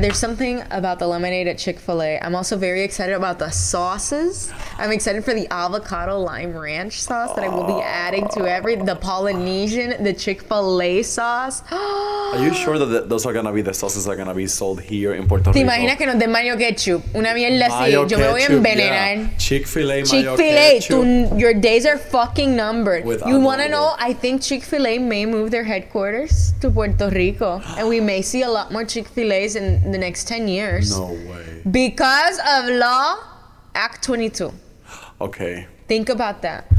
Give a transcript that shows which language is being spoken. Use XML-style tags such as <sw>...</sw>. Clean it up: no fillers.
<en>There's something about the lemonade at Chick-fil-A. I'm also very excited about the sauces. I'm excited for the avocado lime ranch sauce that I will be adding to the Polynesian, the Chick-fil-A sauce. Are you sure that those are going to be the sauces that are going to be sold here in Puerto Rico?</en> <es>No, de mayo ketchup, una mierda así, yo me voy a envenenar.</es> <en>Yeah. Chick-fil-A, Chick-fil-A mayo ketchup. Chick-fil-A, your days are fucking numbered. You want to know, I think Chick-fil-A may move their headquarters to Puerto Rico, and we may see a lot more Chick-fil-A's in the next 10 years. No way. Because of Law Act 22. Okay. Think about that.</en>